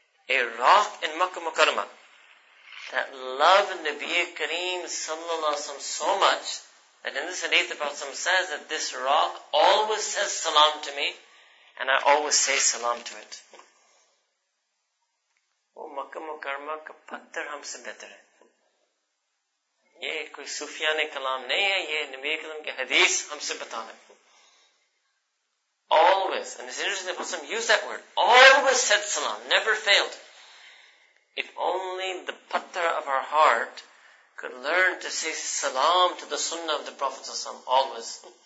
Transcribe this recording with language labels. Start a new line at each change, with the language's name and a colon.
English: A rock in Makkah Mukarramah that loved Nabi Kareem sallallahu alayhi wa sallam so much, that in this hadith the Prophet says that this rock always says salam to me, and I always say salam to it.
Urdu: وہ مکہ مکرمہ کا پتھر ہم سے بہتر ہے. یہ کوئی صوفیانِ کلام نہیں ہے, یہ نبی کریم کی حدیث ہم سے بتا رہے.
English: Always, and it's interesting that Muslim use that word, always said salam, never failed. If only the patthar of our heart could learn to say salam to the sunnah of the Prophet ﷺ, always.